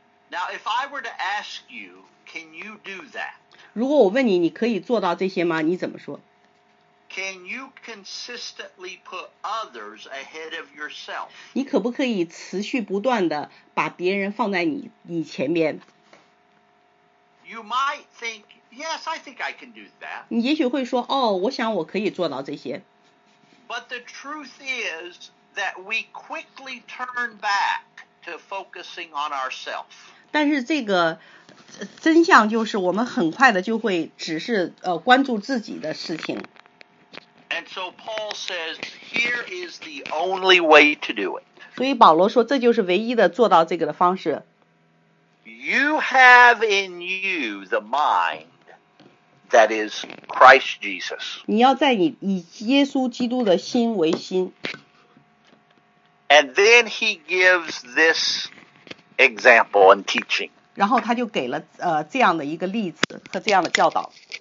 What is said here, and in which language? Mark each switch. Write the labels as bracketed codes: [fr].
[en] Now, if I were to ask you, can you do that? [zh] 如果我问你，你可以做到这些吗？你怎么说？ [en] Can you consistently put others ahead of yourself? [zh] 你可不可以持续不断地把别人放在你前面？ [en] You might think, yes, I think I can do that. [zh] 你也许会说，哦，我想我可以做到这些。 [en] But the truth is that we quickly turn back to focusing on ourselves. [zh] 但是这个真相就是我们很快的就会只是关注自己的事情。 [en] And so Paul says, here is the only way to do it. [zh] 所以保罗说，这就是唯一的做到这个的方式。 [en] You have in you the mind that is Christ Jesus. [zh] 你要在你以耶稣基督的心为心。 [en] And then he gives this example and teaching. [zh] 然后他就给了这样的一个例子和这样的教导。